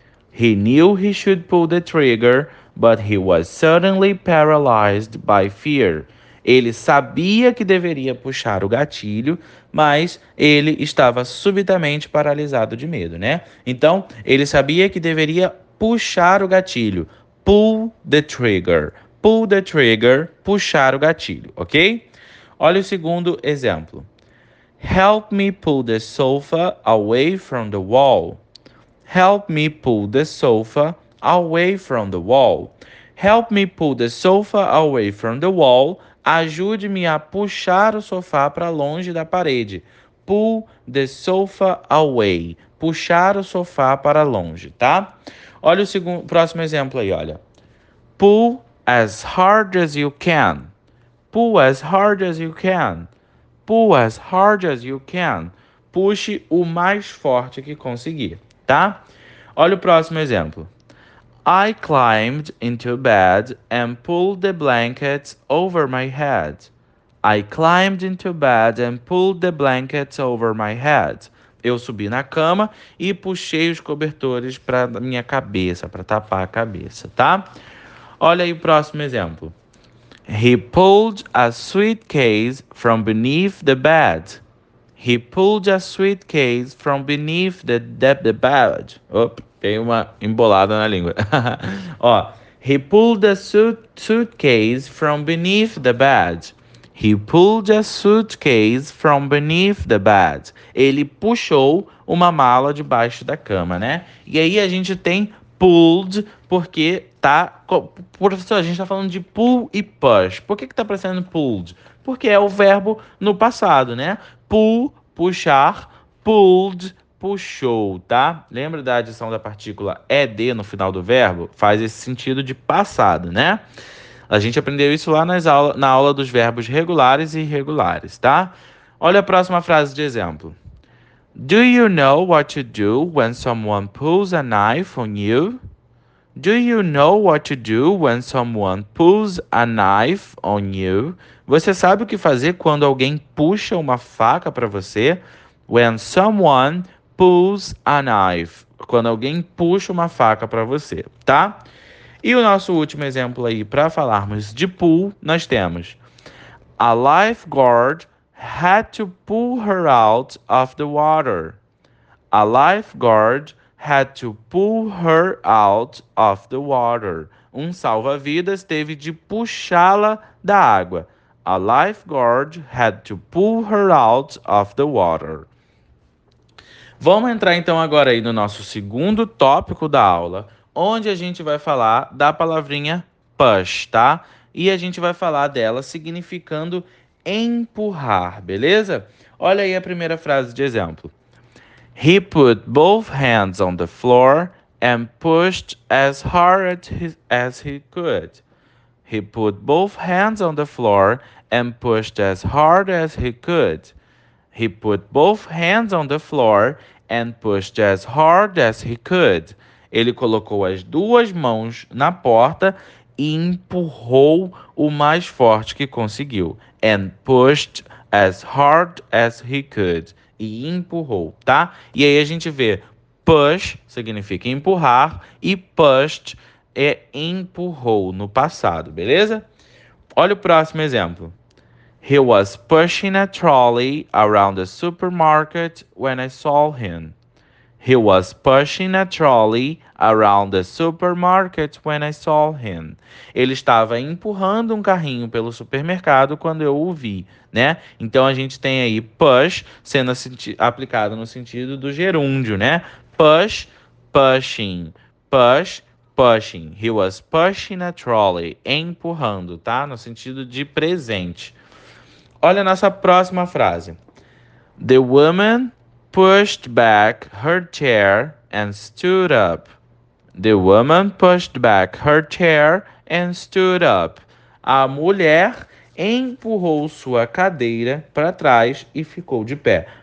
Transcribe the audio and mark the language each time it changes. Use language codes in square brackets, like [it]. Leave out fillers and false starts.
[en] He knew he should pull the trigger, but he was suddenly paralyzed by fear. [pt] Ele sabia que deveria puxar o gatilho, mas ele estava subitamente paralisado de medo, né? Então, ele sabia que deveria puxar o gatilho. [en] Pull the trigger. Pull the trigger, [pt] puxar o gatilho, ok? Olha o segundo exemplo. [en] Help me pull the sofa away from the wall. Help me pull the sofa away from the wall. Help me pull the sofa away from the wall. [pt] Ajude-me a puxar o sofá para longe da parede. [en] Pull the sofa away. [pt] Puxar o sofá para longe, tá? Olha o segundo, próximo exemplo aí, olha. [en] Pull as hard as you can. Pull as hard as you can. Pull as hard as you can. [pt] Puxe o mais forte que conseguir, tá? Olha o próximo exemplo. [en] I climbed into bed and pulled the blankets over my head. I climbed into bed and pulled the blankets over my head. [pt] Eu subi na cama e puxei os cobertores para minha cabeça, para tapar a cabeça, tá? Olha aí o próximo exemplo. [en] He pulled a suitcase from beneath the bed. He pulled a suitcase from beneath the bed. [pt] Opa, tem uma embolada na língua. Ó, [en] he pulled a suitcase from beneath the bed. He pulled a suitcase from beneath the bed. [pt] Ele puxou uma mala debaixo da cama, né? E aí a gente tem pulled porque tá, professor, a gente tá falando de pull e push. Por que que tá aparecendo pulled? Porque é o verbo no passado, né? Pull, puxar, pulled, puxou, tá? Lembra da adição da partícula ed no final do verbo? Faz esse sentido de passado, né? A gente aprendeu isso lá na aula dos verbos regulares e irregulares, tá? Olha a próxima frase de exemplo. [en] Do you know what to do when someone pulls a knife on you? Do you know what to do when someone pulls a knife on you? [pt] Você sabe o que fazer quando alguém puxa uma faca para você? [en] When someone pulls a knife. [pt] Quando alguém puxa uma faca para você, tá? E o nosso último exemplo aí para falarmos de pull, nós temos: [en] A lifeguard had to pull her out of the water. A lifeguard had to pull her out of the water. [pt] Um salva-vidas teve de puxá-la da água. [en] A lifeguard had to pull her out of the water. [pt] Vamos entrar então agora aí no nosso segundo tópico da aula, onde a gente vai falar da palavrinha push, tá? E a gente vai falar dela significando empurrar, beleza? Olha aí a primeira frase de exemplo. [en] He put both hands on the floor and pushed as hard as he could. He put both hands on the floor and pushed as hard as he could. He put both hands on the floor and pushed as hard as he could. [pt] Ele colocou as duas mãos na porta e empurrou o mais forte que conseguiu. [en] And pushed as hard as he could. [pt] E empurrou, tá? E aí a gente vê push significa empurrar e pushed é empurrou no passado, beleza? Olha o próximo exemplo. [en] He was pushing a trolley around the supermarket when I saw him. He was pushing a trolley around the supermarket when I saw him. [pt] Ele estava empurrando um carrinho pelo supermercado quando eu o vi, né? Então a gente tem aí push sendo aplicado no sentido do gerúndio, né? [en] Push, pushing, push, pushing. He was pushing a trolley, [pt] empurrando, tá? No sentido de presente. Olha a nossa próxima frase. [en] The woman pushed back her chair and stood up. The woman pushed back her chair and stood up. [pt] A mulher empurrou sua cadeira para trás e ficou de pé.